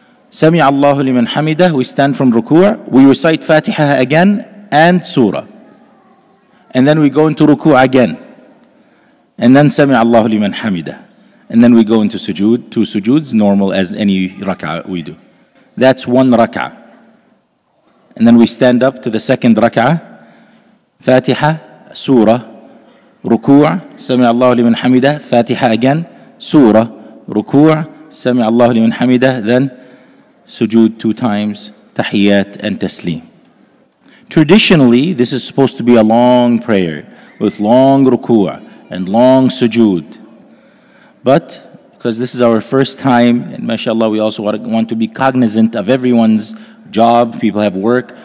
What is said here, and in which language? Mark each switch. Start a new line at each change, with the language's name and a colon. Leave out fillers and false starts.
Arabic: سَمِعَ اللَّهُ لِمَنْ حَمِدَهُ.
English: We stand from ruku'. We recite Fatiha again and surah. And then we go into ruku' again. And then
Arabic: سَمِعَ اللَّهُ لِمَنْ حَمِدَهُ.
English: And then we go into sujood, two sujoods, normal as any rak'ah we do. That's one rak'ah. And then we stand up to the second rak'ah. Fatiha, surah, ruku',
Arabic: سَمِعَ اللَّهُ لِمَنْ حَمِدَهُ.
English: Fatiha again, surah, ruku',
Arabic: سَمِعَ اللَّهُ لِمَنْ حَمِدَهُ.
English: Then sujood two times, tahiyyat and taslim. Traditionally, this is supposed to be a long prayer with long ruku' and long sujood. But because this is our first time, and mashallah, we also want to be cognizant of everyone's job. People have work.